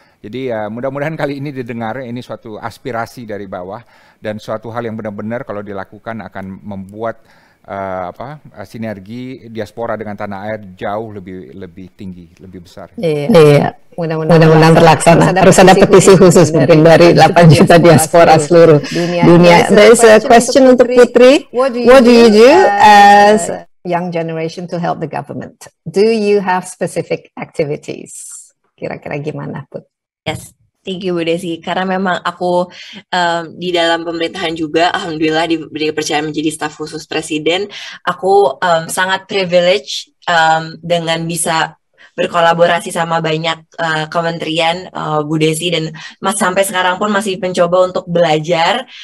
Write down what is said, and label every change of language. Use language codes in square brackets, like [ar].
[id] Jadi mudah-mudahan kali ini didengar, ini suatu aspirasi dari bawah dan suatu hal yang benar-benar kalau dilakukan akan membuat sinergi diaspora dengan tanah air jauh lebih tinggi, lebih besar. Iya. Mudah-mudahan terlaksana. Harus ada petisi khusus mungkin dari 8 juta diaspora seluruh dunia. [en] There's a question [id] untuk Putri. [en] What do you do as a young generation to help the government? Do you have specific activities? [id] Kira-kira gimana, Put? [en] Yes, thank you [id] Bu Desi, karena memang aku di dalam pemerintahan juga, alhamdulillah diberi kepercayaan menjadi staf khusus presiden. Aku sangat privilege dengan bisa berkolaborasi sama banyak kementerian, Bu Desi, dan sampai sekarang pun masih mencoba untuk belajar.